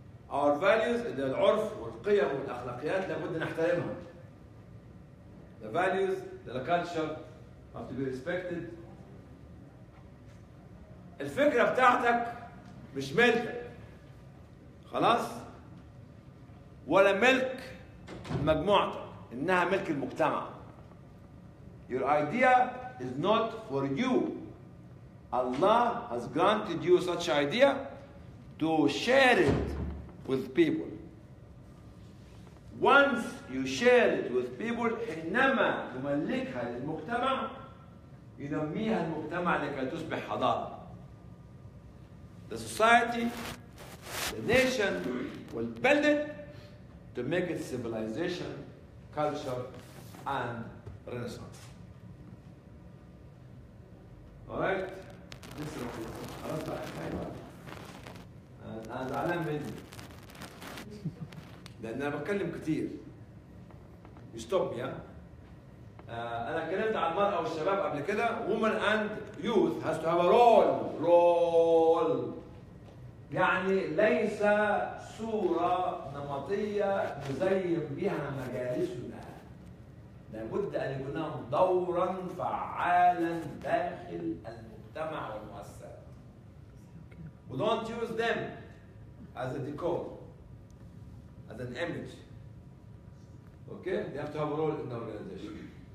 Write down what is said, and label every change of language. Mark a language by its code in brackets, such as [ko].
[en] Our values [ar] اللي العرف والقيم والاخلاقيات لابد نحترمها. [en] The values, the culture have to be respected. [ar] الفكرة بتاعتك مش ملك خلاص ولا ملك مجموعتك، انها ملك المجتمع. [en] Your idea is not for you. Allah has granted you such idea to share it with people. Once you share it with people, [ar] حينما تملكها للمجتمع ينميها المجتمع لكي تصبح حضارة. [en] The society, the nation will build it to make it civilization, culture, and renaissance. Alright? This is the first time. And I'm busy. [ar] لأن أنا بتكلم كتير. [en] You stop me, yeah? [ar] أنا كلمت عن المرأة والشباب قبل كده. [en] Woman and youth has to have a role. [ar] يعني ليس صورة نمطية نزين بها مجالسنا. لابد أن يكون لهم دورا فعالا داخل المجتمع والمؤسسة. [en] We don't use them as a decor, as an image. Okay? They have to have a role in the organization.